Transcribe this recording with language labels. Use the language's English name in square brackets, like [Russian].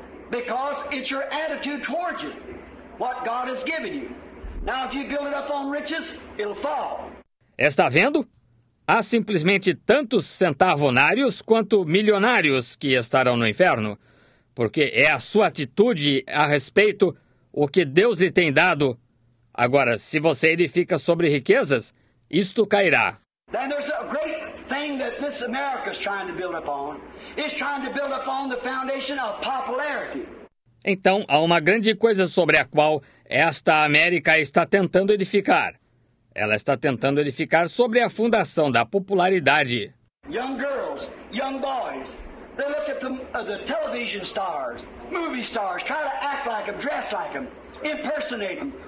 [English] Because it's your attitude towards it, what God has given you. Now, if you build it up on riches, it'll fall. [Portuguese] Está vendo? Há simplesmente tantos centavonários quanto milionários que estarão no inferno, porque é a sua atitude a respeito o que Deus lhe tem dado. Agora, se você edifica sobre riquezas, isto cairá. [English] Then there's a great thing that this America is trying to build upon. It's trying to build upon the foundation of popularity. [Portuguese] Então, há uma grande coisa sobre a qual esta América está tentando edificar. Ela está tentando edificar sobre a fundação da popularidade. [English] Young girls, young boys, they look at the television stars, movie stars, try to act like them, dress like them, impersonate them.